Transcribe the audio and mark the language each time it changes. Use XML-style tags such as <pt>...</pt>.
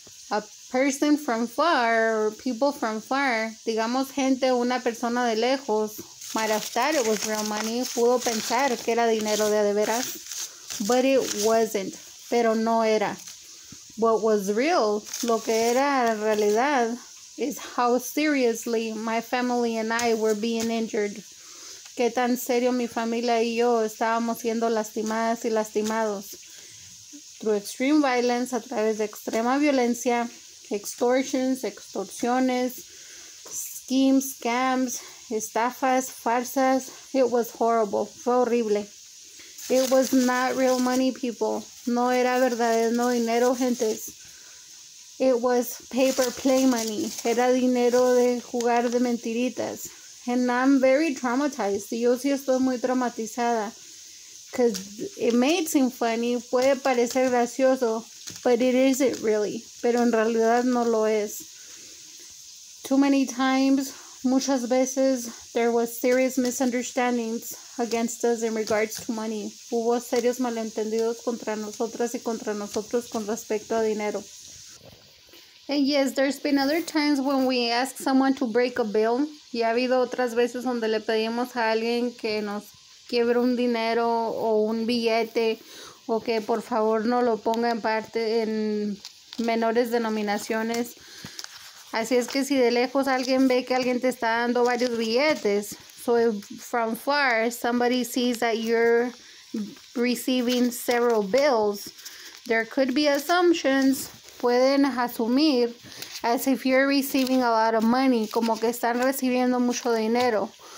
<en>A person from far, or people from far,</en> <es>digamos gente, una persona de lejos,</es> <en>might have thought it was real money,</en> <es>pudo pensar que era dinero de veras,</es> <en>but it wasn't,</en> <es>pero no era.</es> <en>What was real,</en> <es>lo que era en realidad,</es> <en>is how seriously my family and I were being injured.</en> <es>Qué tan serio mi familia y yo estábamos siendo lastimadas y lastimados.</es> <en>Through extreme violence,</en> <es>a través de extrema violencia, extortions, extorsiones, schemes, scams, estafas, farsas,</es> <en>it was horrible,</en> <es>fue horrible.</es> <en>It was not real money, people.</en> <es>No era verdadero dinero, gentes.</es> <en>It was paper play money.</en> <es>Era dinero de jugar de mentiritas.</es> <en>And I'm very traumatized.</en> <es>Yo sí estoy muy traumatizada.</es> <en>Because it may seem funny,</en> <es>puede parecer gracioso,</es> <en>but it isn't really.</en> <es>Pero en realidad no lo es.</es> <en>Too many times,</en> <es>muchas veces,</es> <en>there was serious misunderstandings against us in regards to money.</en> <es>Hubo serios malentendidos contra nosotras y contra nosotros con respecto a dinero.</es> <en>And yes, there's been other times when we ask someone to break a bill.</en> <es>Y ha habido otras veces donde le pedimos a alguien que nos quiebre un dinero o un billete o que por favor no lo ponga en parte en menores denominaciones. Así es que si de lejos alguien ve que alguien te está dando varios billetes,</es> <en>so if from far somebody sees that you're receiving several bills, there could be assumptions,</en> <es>pueden asumir,</es> <en>as if you're receiving a lot of money,</en> <es>como que están recibiendo mucho dinero.</es>